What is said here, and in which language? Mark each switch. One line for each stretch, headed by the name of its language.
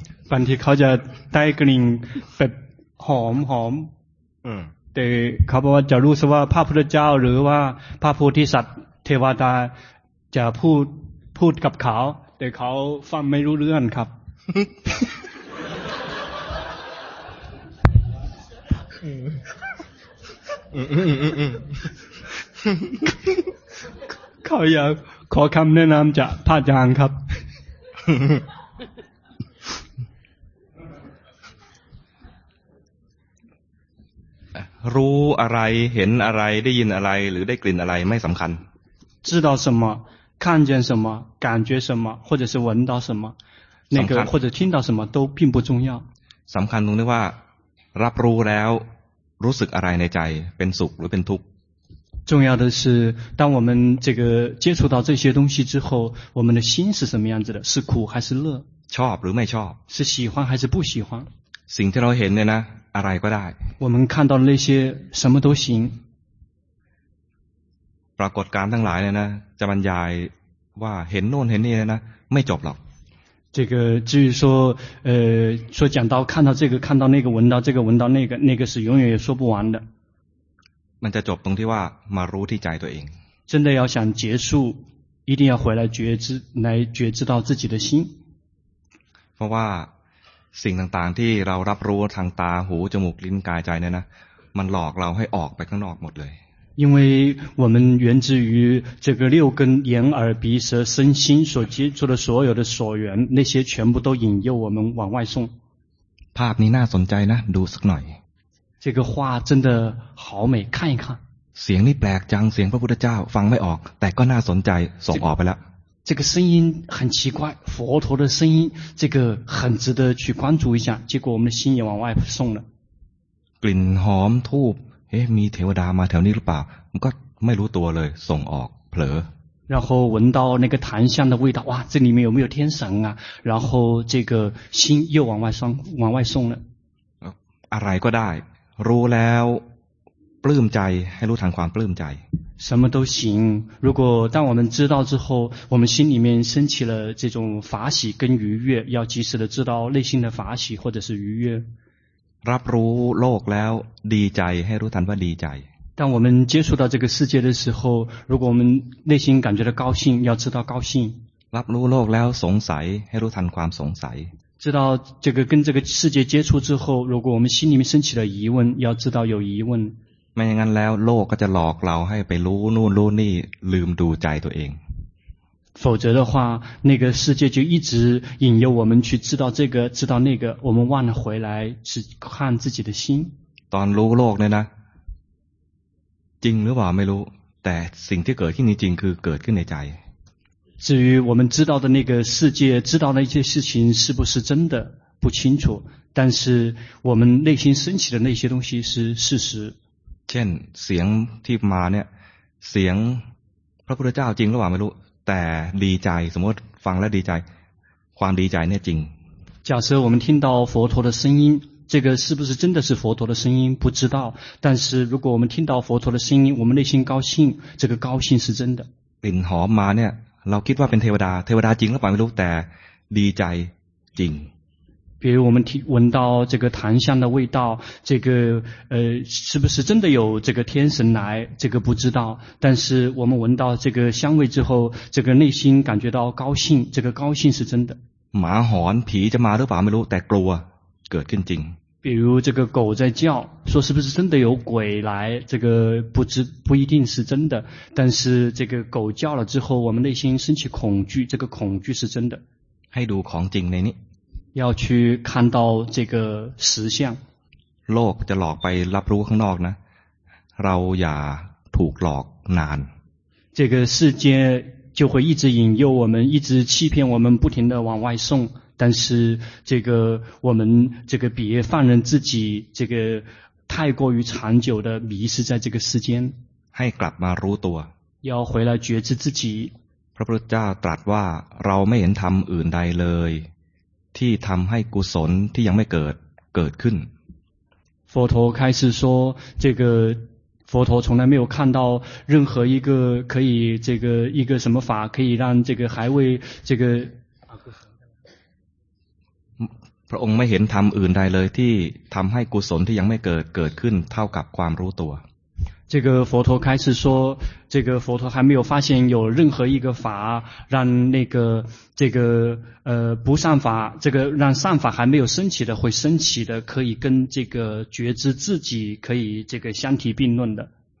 Thai: บางทีเขาจะได้กลิ่นแบบหอมหอมแต่เขาบอกว่าจะรู้สึกว่าพระพุทธเจ้าหรือว่าพระโพธิสัตว์เทวดาจะพูดกับเขาแต่เขาฟังไม่รู้เรื่องครับเขาอยากขอคำแนะนำจากพระอาจารย์ครับ รู้อะไรเห็นอะไรได้ยินอะไรหรือได้กลิ่นอะไรไม่สำคัญ
Chinese: 知道什么看见什么感觉什么或者是闻到什么那个或者听到什么都并不重要
Thai: สำคัญตรงนี้ว่ารับรู้แล้วรู้สึกอะไรในใจเป็นสุขหรือเป็นทุกข์
Chinese: 重要的是当我们这个接触到这些东西之后我们的心是什么样子的是苦还是乐
Thai: ชอบหรือไม่ชอบ
Chinese: 是喜欢还是不喜欢
Thai: สิ่งที่เราเห็นเนี่ยนะอะไรก็ได้
Chinese: 我们看到那些什么都行
Thai: ปรากฏการณ์ทั้งหลายเนี่ยนะจะบรรยายว่าเห็นโน่นเห็นนี่เนี่ยนะไม่จบหรอก
Chinese: 这个至于说说讲到看到这个看到那个闻到这个闻到那个那个是永远也说不完的
Thai: มันจะจบตรงที่ว่ามารู้ที่ใจตัวเอง
Chinese: 真的要想结束一定要回来觉知来觉知到自己的心
Thai: เพราะว่าสิ่งต่างๆที่เรารับรู้ทางตาหูจมูกลิ้นกายใจเนี่ยนะมันหลอกเราให้ออกไปข้างนอกหมดเลย
Chinese: 因为我们源自于这个六根眼耳鼻舌身心所接触的所有的所缘那些全部都引诱我们往外送
Thai: ภาพนี้น่าสนใจนะดูสักหน่อย
Chinese: 这个画真的好美看一看
Thai: เสียงนี่แปลกจังเสียงพระพุทธเจ้าฟังไม่ออกแต่ก็น่าสนใจส่งออกไปแล้ว
Chinese: 这个声音很奇怪佛陀的声音这个很值得去关注一下结果我们的心也往外送了
Thai: กลิ่นหอมทูบเอ๊ะมีเทวดามาแถวนี้หรือเปล่ามันก็ไม่รู้ตัวเลยส่งออกเผลอ
Chinese: 然后闻到那个檀香的味道哇这里面有没有天神啊然后这个心又往外送往外送了
Thai: อะไรก็ได้รู้แล้วปลื้มใจให้รู้ทางความปลื้มใจ
Chinese: 什么都行如果当我们知道之后我们心里面升起了这种法喜跟愉悦要及时的知道内心的法喜或者是愉悦
Thai: รับรู้โลกแล้วดีใจให้รู้ทันว่าดีใจ
Chinese: 当我们接触到这个世界的时候如果我们内心感觉到高兴要知道高兴
Thai: รับรู้โลกแล้วสงสัยให้รู้ทันความสงสัย
Chinese: 知道这个跟这个世界接触之后如果我们心里面升起了疑问要知道有疑问
Thai: ไม่อย่างนั้นแล้วโลกก็จะหลอกเราให้ไปรู้นู่นรู้นี่ลืมดูใจตัวเอง
Chinese: 否则的话那个世界就一直引诱我们去知道这个知道那个我们忘了回来只看自己的心
Thai: ตอนรู้โลกเนี่ยนะจริงหรือเปล่าไม่รู้แต่สิ่งที่เกิดขึ้นจริงคือเกิดขึ้นในใจ
Chinese: 至于我们知道的那个世界知道那些事情是不是真的不清楚但是我们内心升起的那些东西是事实
Thai: เช่นเสียงที่มาเนี่ยเสียงพระพุทธเจ้าจริงหรือเปล่าไม่รู้แต่ดีใจสมมติฟังแล้วดีใจความดีใจเนี่ยจริง
Chinese: 假设我们听到佛陀的声音这个是不是真的是佛陀的声音不知道但是如果我们听到佛陀的声音我们内心高兴这个高兴是真的
Thai: กลิ่นหอมมาเนี่ยเราคิดว่าเป็นเทวดาเทวดาจริงหรือเปล่าไม่รู้แต่ดีใจจริง
Chinese: 比如我们闻到这个檀香的味道这个是不是真的有这个天神来这个不知道但是我们闻到这个香味之后这个内心感觉到高兴这个高兴是真的马喊皮就马都把没路带狗啊个更紧比如这个狗在叫说是不是真的有鬼来这个不一定是真的但是这个狗叫了之后我们内心升起恐惧这个恐惧是真的
Thai: ให้ดูของจริงในนี้
Chinese: 要去看到这个实相
Thai: โลกจะหลอกไปรับรู้ข้างนอกนะเราอย่าถูกหลอกนาน
Chinese: 这个世界就会一直引诱我们一直欺骗我们不停地往外送但是这个我们这个别放任自己这个太过于长久的迷失在这个世间
Thai: ให้กลับมารู้ตัว
Chinese: 要回来觉知自己
Thai: พระพุทธเจ้าตรัสว่าเราไม่เห็นธรรมอื่นใดเลย ที่ทำให้กุศลที่ยังไม่เกิดขึ้น
Chinese: 佛陀开始说这个佛陀从来没有看到任何一个可以这个一个什么法可以让这个还未这个
Thai: พระองค์ไม่เห็นธรรมอื่นใดเลยที่ทำให้กุศลที่ยังไม่เกิดขึ้นเท่ากับความรู้ตัว
Chinese: 这个佛陀开始说这个佛陀还没有发现有任何一个法让那个这个不善法这个让善法还没有升起的会升起的可以跟这个觉知自己可以这个相提并论的